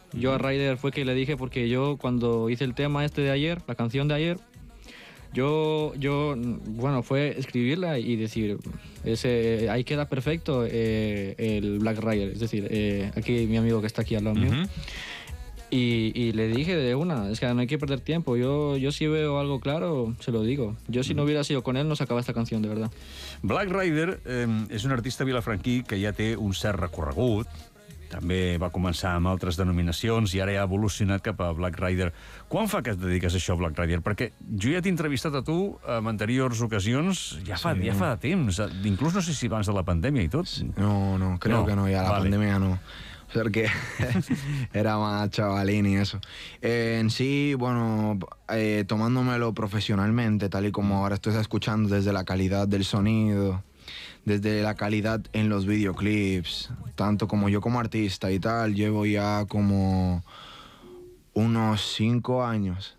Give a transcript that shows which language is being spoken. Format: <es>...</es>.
<es>Yo a Ryder fue que le dije, porque yo cuando hice el tema este de ayer, la canción de ayer, yo bueno, fue escribirla y decir, ese, ahí queda perfecto el Black Ryder. Es decir, aquí mi amigo que está aquí al lado mío. Y le dije de una, es que no hay que perder tiempo. Yo si veo algo claro, se lo digo. Yo si no hubiera sido con él, no sacaba esta canción, de verdad.</es> <ca>Black Rider és un artista vilafranquí que ja té un cert recorregut. També va començar amb altres denominacions i ara ja ha evolucionat cap a Black Rider. Quan fa que et dediques això, Black Rider? Perquè jo ja t'he entrevistat a tu en anteriors ocasions, ja fa temps. Inclús no sé si abans de la pandèmia i tot.</ca> <es>No, creo que no, ya la pandemia no. Porque era más chavalín y eso. En sí, bueno, tomándomelo profesionalmente, tal y como ahora estoy escuchando, desde la calidad del sonido, desde la calidad en los videoclips, tanto como yo como artista y tal, llevo ya como unos 5 años.</es>